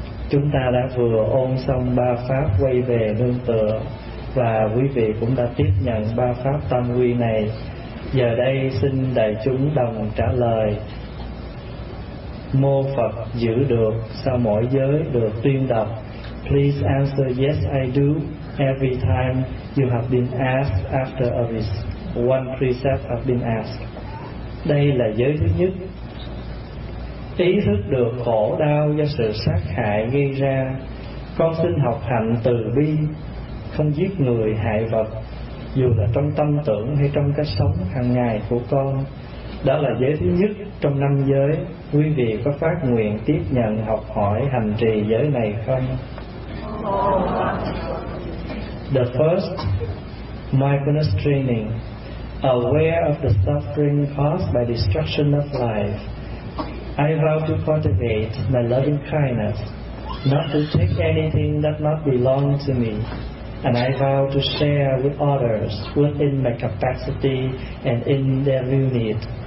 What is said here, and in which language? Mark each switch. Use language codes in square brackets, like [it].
[vi] Chúng ta đã vừa ôn xong ba pháp quay về nương tựa, và quý vị cũng đã tiếp nhận ba pháp tam quy này. Giờ đây xin đại chúng đồng trả lời: Mô Phật giữ được sau mỗi giới được tuyên đọc. [en] Please answer yes I do every time you have been asked after a one precept have been asked. [vi] Đây là giới thứ nhất. Ý thức được khổ đau do sự sát hại gây ra, con xin học hạnh từ bi, không giết người hại vật, dù là trong tâm tưởng hay trong cách sống hàng ngày của con. Đó là giới thứ nhất trong năm giới. Quý vị có phát nguyện tiếp nhận học hỏi hành trì giới này không? [en] The first mindfulness training, aware of the suffering caused by destruction of life. I vow to cultivate my loving kindness, not to take anything that not belong to me, and I vow to share with others within my capacity and in their real need.